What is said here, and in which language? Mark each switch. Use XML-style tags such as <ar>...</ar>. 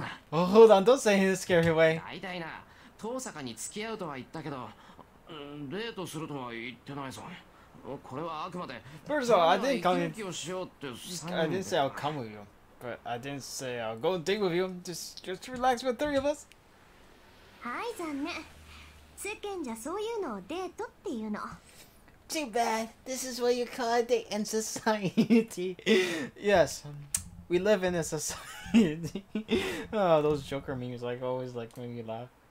<en>Hold on, don't say it in a scary way. First of all, I didn't say I'll come with you. But I didn't say I'll go date with you. Just relax with the three of us.</en> <ja>はい、残念。世間じゃそういうのをデートっていうの。</ja> <en>Too bad. This is what you call a date in society. Yes, we live in a society. Oh, those Joker memes like always like make me laugh.</en>